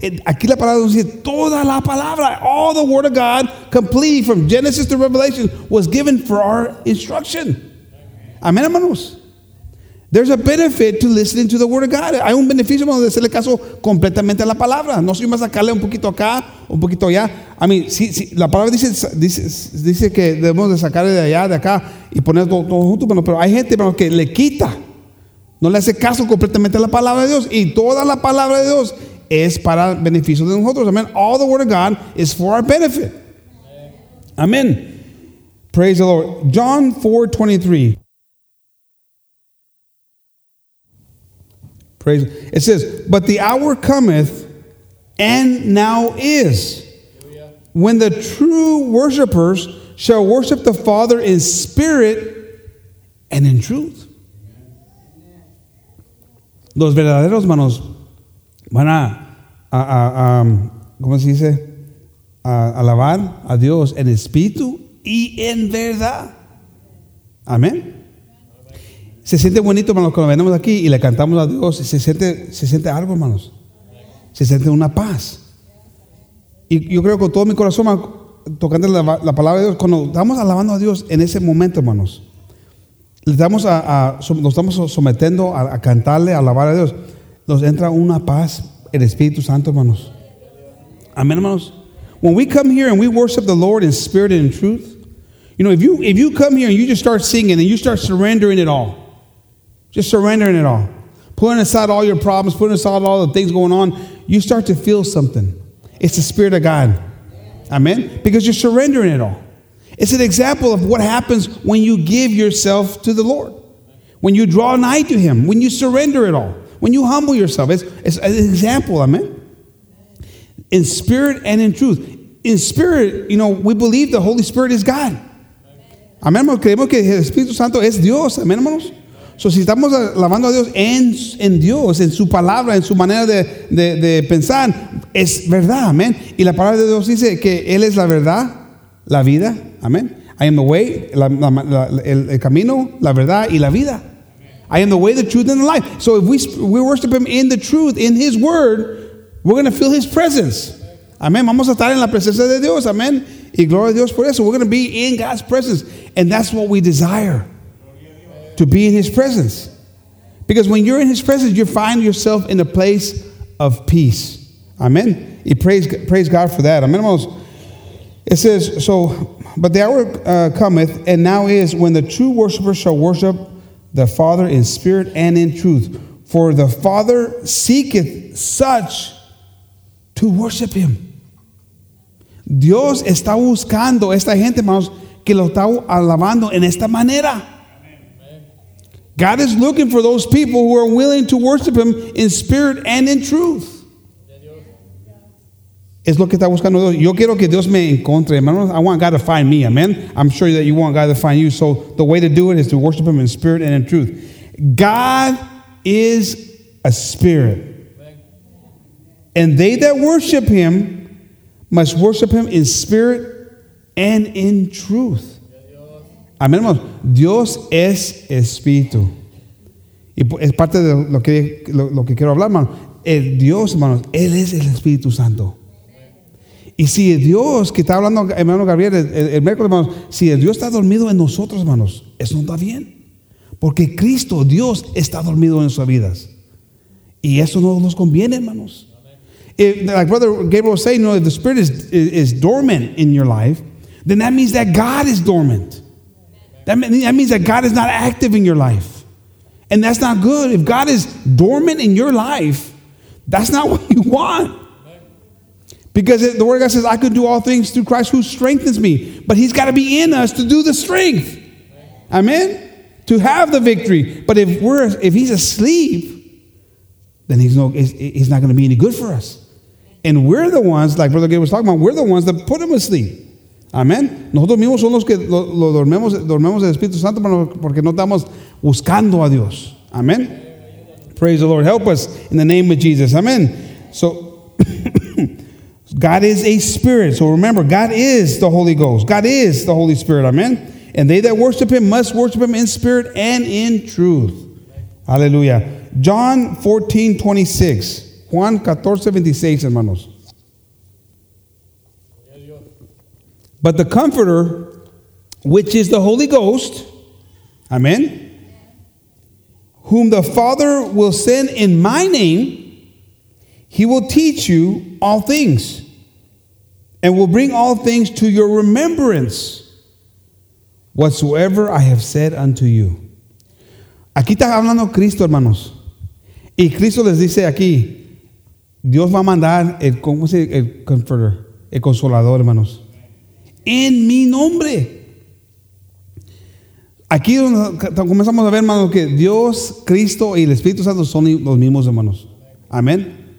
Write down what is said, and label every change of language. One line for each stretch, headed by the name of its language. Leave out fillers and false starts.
Spanish: Aquí la palabra dice toda la palabra.
English: All the Word of God, complete from Genesis to Revelation, was given for our instruction.
Spanish: Amén, hermanos.
English: There's a benefit to listening to the Word of God.
Spanish: Hay un beneficio, hermanos, de hacerle caso completamente a la palabra. No soy más sacarle un poquito acá, un poquito allá.
English: I mean,
Spanish: si la palabra dice que debemos de sacarle de allá, de acá, y poner todo junto, hermanos. Pero hay gente, hermanos, que le quita. No le hace caso completamente a la palabra de Dios. Y toda la palabra de Dios es para el beneficio de nosotros.
English: Amen. All the Word of God is for our benefit. Amen. Praise the Lord. John 4:23. Praise. It says, but the hour cometh and now is. When the true worshipers shall worship the Father in spirit and in truth.
Spanish: Los verdaderos manos van a alabar a Dios en espíritu y en verdad. Amén. Se siente bonito, hermanos, cuando venimos aquí y le cantamos a Dios. Se siente algo, hermanos. Se siente una paz. Y yo creo que con todo mi corazón, tocando la palabra de Dios, cuando estamos alabando a Dios en ese momento, hermanos, nos estamos sometiendo a cantarle, a alabar a Dios, nos entra una paz, el Espíritu Santo, hermanos. Amén, hermanos.
English: When we come here and we worship the Lord in spirit and in truth, you know, if you come here and you just start singing and you start surrendering it all, just surrendering it all, putting aside all your problems, putting aside all the things going on, you start to feel something. It's the Spirit of God. Amen? Because you're surrendering it all. It's an example of what happens when you give yourself to the Lord. When you draw nigh to Him. When you surrender it all. When you humble yourself. It's an example. Amen? In spirit and in truth. In spirit, you know, we believe the Holy Spirit is God.
Spanish: Amen? Creemos que el Espíritu Santo es Dios. Amen, hermanos? So, si estamos alabando a Dios en Dios, en su palabra, en su manera de pensar, es verdad, amén. Y la palabra de Dios dice que Él es la verdad, la vida, amén.
English: I am the way,
Spanish: el camino, la verdad y la vida.
English: I am the way, the truth, and the life. So, if we worship Him in the truth, in His word, we're going to feel His presence.
Spanish: Amén. Vamos a estar en la presencia de Dios, amén. Y gloria a Dios por eso.
English: We're going to be in God's presence. And that's what we desire. To be in His presence. Because when you're in His presence, you find yourself in a place of peace. Amen. Y praise God for that. Amen. It says, so, but the hour cometh, and now is, when the true worshipers shall worship the Father in spirit and in truth. For the Father seeketh such to worship Him.
Spanish: Dios está buscando esta gente, hermanos, que lo está alabando en esta manera.
English: God is looking for those people who are willing to worship Him in spirit and in truth.
Spanish: Es lo que está buscando Dios. Yo quiero que Dios me encuentre, hermanos.
English: I want God to find me,
Spanish: amen.
English: I'm sure that you want God to find you. So the way to do it is to worship Him in spirit and in truth. God is a spirit. And they that worship Him must worship Him in spirit and in truth.
Spanish: Amén, hermanos. Dios es espíritu. Y es parte de lo que quiero hablar, hermanos. El Dios, hermanos, Él es el Espíritu Santo. Y si el Dios que está hablando, hermano Gabriel, el miércoles, hermanos, si el Dios está dormido en nosotros, hermanos, eso no está bien. Porque Cristo, Dios, está dormido en nuestras vidas. Y eso no nos conviene, hermanos.
English: If, like Brother Gabriel was saying, you know, if the Spirit is dormant in your life, then that means that God is dormant. That means that God is not active in your life. And that's not good. If God is dormant in your life, that's not what you want. Because the Word of God says, I could do all things through Christ who strengthens me. But He's got to be in us to do the strength. Amen? To have the victory. But if He's asleep, then He's not going to be any good for us. And we're the ones, like Brother Gabe was talking about, we're the ones that put Him asleep.
Spanish: Amén. Nosotros mismos somos los que lo dormemos el Espíritu Santo porque no estamos buscando a Dios.
English: Amén. Praise the Lord. Help us in the name of Jesus. Amén. So, God is a spirit. So remember, God is the Holy Ghost. God is the Holy Spirit. Amén. And they that worship Him must worship Him in spirit and in truth. Aleluya. John 14:26. Juan 14:26, hermanos. But the Comforter, which is the Holy Ghost, amen, whom the Father will send in my name, He will teach you all things and will bring all things to your remembrance whatsoever I have said unto you.
Spanish: Aquí está hablando Cristo, hermanos. Y Cristo les dice aquí, Dios va a mandar el Comforter, el Consolador, hermanos. En mi nombre. Aquí comenzamos a ver, hermanos, que Dios, Cristo y el Espíritu Santo son los mismos, hermanos. Amén.